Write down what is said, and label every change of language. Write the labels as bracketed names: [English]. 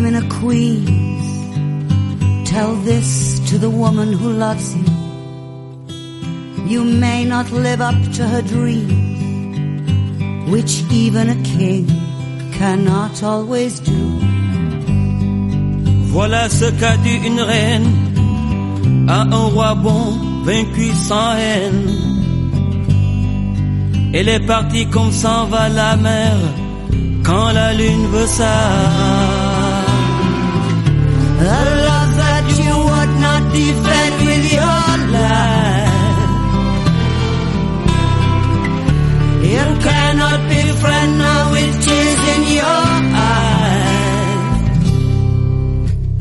[English] Queens, tell this to the woman who loves you. You may not live up to her dreams, which even a king cannot always do. [French] Voilà ce qu'a dit une reine à un roi bon vaincu sans haine. Elle est partie comme s'en va la mer quand la lune veut ça. [English] The love that you would not defend with your life. You cannot be friend now with tears in your eyes.